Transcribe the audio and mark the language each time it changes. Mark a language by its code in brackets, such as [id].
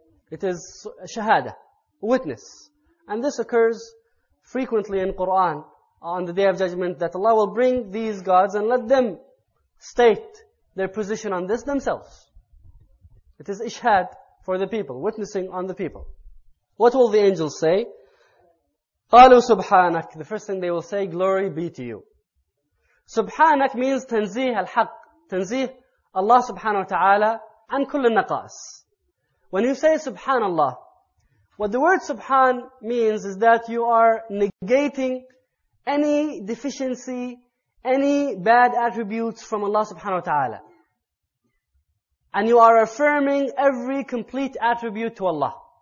[en] It is shahada, witness. And this occurs frequently in Quran on the Day of Judgment, that Allah will bring these gods and let them state their position on this themselves. It is ishad for the people, witnessing on the people. What will the angels say? [ar] قَالُوا سُبْحَانَكَ. [en] The first thing they will say, glory be to you. [ar] سُبْحَانَكَ [en] means [ar] تَنْزِيه الْحَقِّ. تَنْزِيه Allah subhanahu wa ta'ala عَنْ كُلِّ النَّقَاسِ. [en] When you say subhanallah, what the word subhan means is that you are negating any deficiency, any bad attributes from Allah subhanahu wa ta'ala. And you are affirming every complete attribute to Allah.